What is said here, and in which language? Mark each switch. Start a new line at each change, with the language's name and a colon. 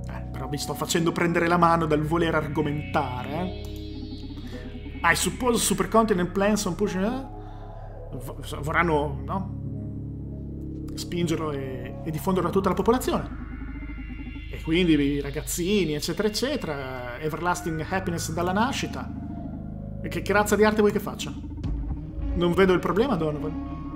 Italian: Però mi sto facendo prendere la mano dal voler argomentare, eh?
English: I suppose Supercontinent plans on pushing...
Italian: Vorranno, no? Spingerlo e diffonderlo a tutta la popolazione. E quindi i ragazzini, eccetera, eccetera.
English: Everlasting happiness
Italian: dalla nascita. E che razza di arte vuoi che faccia? Non vedo il problema, Donovan.